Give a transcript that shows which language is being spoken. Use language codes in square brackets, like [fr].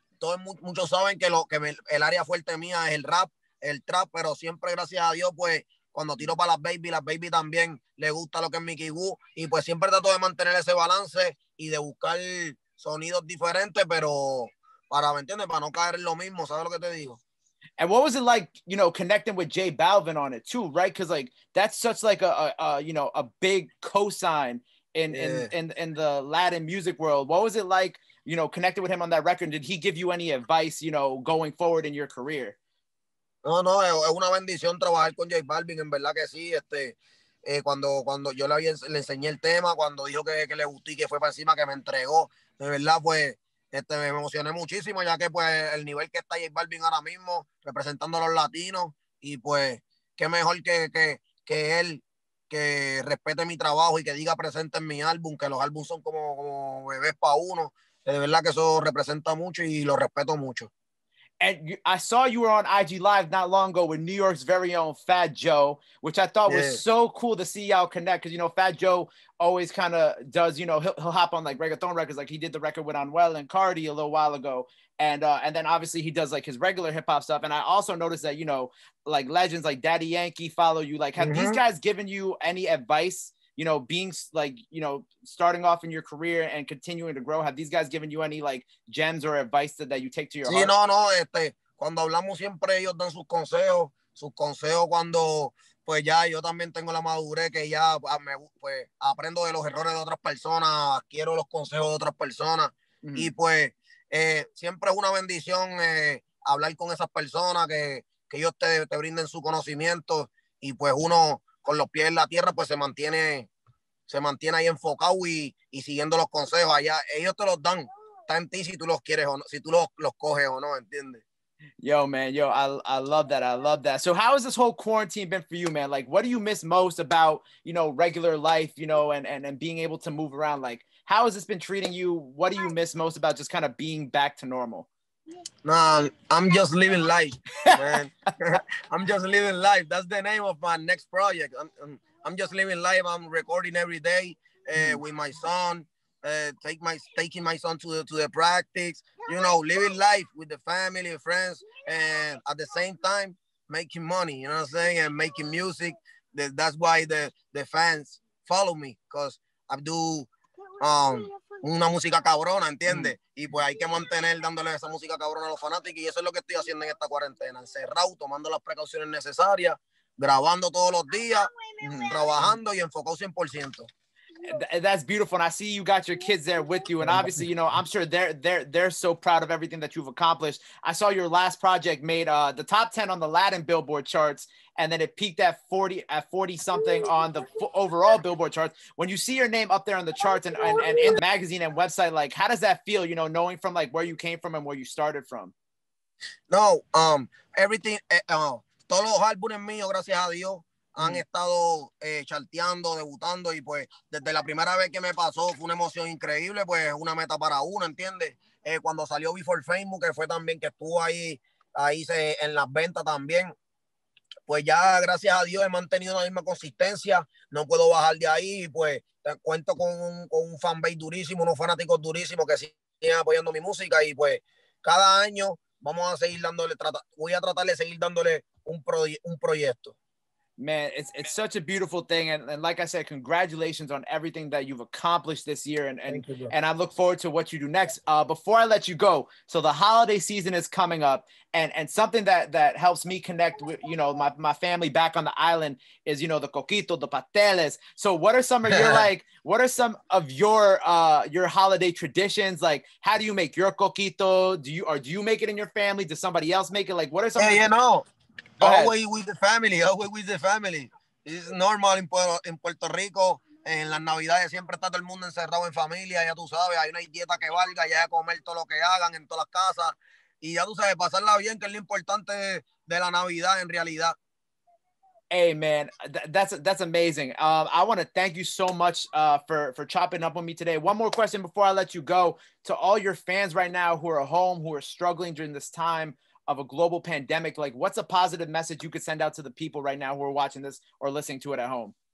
[es] Todos muchos saben que el área fuerte mía es el rap, el trap, pero siempre gracias a Dios, pues cuando tiro para las baby también le gusta lo que es Miky Woodz y pues siempre trato de mantener ese balance y de buscar sonidos diferentes, pero para, ¿me entiendes? Para no caer en lo mismo, ¿sabes lo que te digo? [en] And what was it like, you know, connecting with J Balvin on it too, right? Because like that's such like a big cosign in the Latin music world. What was it like, you know, connecting with him on that record? Did he give you any advice, you know, going forward in your career? [es] No, es una bendición trabajar con J Balvin, en verdad que sí. Cuando yo le enseñé el tema, cuando dijo que le gustó y que fue para encima, que me entregó, de verdad, pues, me emocioné muchísimo, ya que, pues, el nivel que está J Balvin ahora mismo, representando a los latinos, y, pues, qué mejor que él, que respete mi trabajo y que diga presente en mi álbum, que los álbumes son como bebés para uno, de verdad que eso representa mucho y lo respeto mucho. [en] And I saw you were on IG Live not long ago with New York's very own Fat Joe, which I thought was so cool to see y'all connect. Because, you know, Fat Joe always kind of does, you know, he'll hop on like reggaeton records. Like he did the record with Anuel and Cardi a little while ago. And then obviously he does like his regular hip hop stuff. And I also noticed that, you know, like legends like Daddy Yankee follow you. Like, have these guys given you any advice, you know, being like, you know, starting off in your career and continuing to grow? Have these guys given you any like gems or advice that you take to your heart? [es] Sí, no, cuando hablamos siempre ellos dan sus consejos cuando pues ya yo también tengo la madurez que ya me pues aprendo de los errores de otras personas, quiero los consejos de otras personas. Y pues siempre es una bendición hablar con esas personas que ellos te brinden su conocimiento y pues uno con los pies en la tierra, pues se mantiene ahí enfocado y siguiendo los consejos allá. Ellos te los dan. Está en ti si tú los quieres o no, si tú los coges o no, ¿entiendes? [en] Yo, man, yo, I love that. I love that. So how has this whole quarantine been for you, man? Like, what do you miss most about, you know, regular life, you know, and being able to move around? Like, how has this been treating you? What do you miss most about just kind of being back to normal? Nah, I'm just living life, man. I'm just living life. That's the name of my next project. I'm just living life. I'm recording every day with my son, taking my son to the practice, you know, living life with the family and friends, and at the same time making money, you know what I'm saying, and making music. That's why the fans follow me, because I do [es] una música cabrona, ¿entiendes? Y pues hay que mantener dándole esa música cabrona a los fanáticos, y eso es lo que estoy haciendo en esta cuarentena, encerrado, tomando las precauciones necesarias, grabando todos los días, trabajando y enfocado 100%. [en] That's beautiful, and I see you got your kids there with you, and obviously, you know, I'm sure they're so proud of everything that you've accomplished. I saw your last project made the top 10 on the Latin Billboard charts, and then it peaked at 40 something on the overall Billboard charts. When you see your name up there on the charts and in the magazine and website, like, how does that feel, you know, knowing from like where you came from and where you started from? [es] No, [en] everything, [es] todos los álbumes míos, gracias a Dios, han estado charteando, debutando, y pues desde la primera vez que me pasó fue una emoción increíble, pues una meta para uno, ¿entiendes? Cuando salió Before Facebook, que fue también que estuvo ahí en las ventas también, pues ya gracias a Dios he mantenido la misma consistencia, no puedo bajar de ahí, y pues te cuento con un fanbase durísimo, unos fanáticos durísimos que siguen apoyando mi música, y pues cada año vamos a seguir dándole, voy a tratar de seguir dándole un proyecto. [en] Man, it's such a beautiful thing. And like I said, congratulations on everything that you've accomplished this year. And I look forward to what you do next. Before I let you go, so the holiday season is coming up. And something that helps me connect with, you know, my family back on the island is, you know, the coquito, the pasteles. So what are some of your, like, what are some of your holiday traditions? Like, how do you make your coquito? Do you make it in your family? Does somebody else make it? Like, what are some Always with the family, always with the family. It's normal in Puerto Rico. [es] En las Navidades siempre está todo el mundo encerrado en familia. Ya tú sabes, hay una dieta que valga. Ya comer todo lo que hagan en todas las casas. Y ya tú sabes, pasarla bien, que es lo importante de la Navidad en realidad. [en] Hey, man, that's amazing. I want to thank you so much for chopping up with me today. One more question before I let you go. To all your fans right now who are home, who are struggling during this time of a global pandemic, like, what's a positive message you could send out to the people right now who are watching this or listening to it at home?